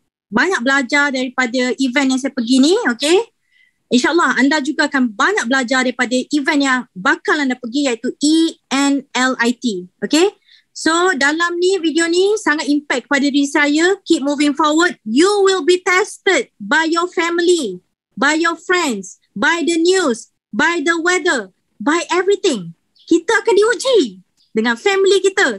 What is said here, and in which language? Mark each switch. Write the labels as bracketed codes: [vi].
[ms] Belajar daripada event yang saya pergi ni, okay? InsyaAllah anda juga akan banyak belajar daripada event yang bakal anda pergi, iaitu ENLIT, okay? So dalam ni, video ni sangat impact kepada diri saya. [en] Keep moving forward. You will be tested by your family, by your friends, by the news, by the weather, by everything. [ms] Kita akan diuji dengan family kita.